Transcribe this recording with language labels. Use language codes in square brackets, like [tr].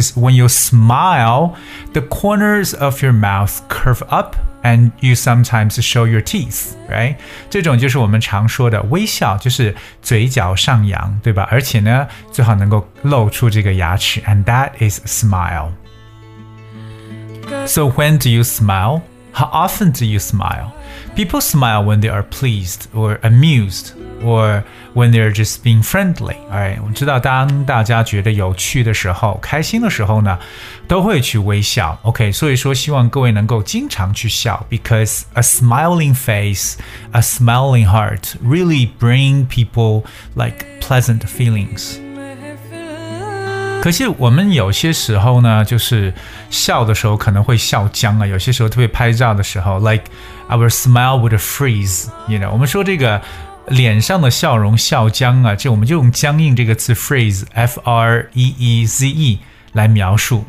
[en] Because when you smile, the corners of your mouth curve up and you sometimes show your teeth, right? [zh] 这种就是我们常说的微笑，就是嘴角上扬，对吧？而且呢，最好能够露出这个牙齿， [en] and that is a smile. So when do you smile? How often do you smile? People smile when they are pleased or amused or when they're just being friendly. All right, [zh] 我知道当大家觉得有趣的时候、开心的时候呢，都会去微笑。 [en] OK, [zh] 所以说希望各位能够经常去笑 [en] because a smiling face, a smiling heart really bring people like pleasant feelings. [zh] 可惜我们有些时候呢，就是笑的时候可能会笑僵啊。有些时候特别拍照的时候 ， [en] like our smile would freeze， you know， [zh] 我们说这个脸上的笑容笑僵啊，这我们就用僵硬这个词 freeze， F R E E Z E 来描述。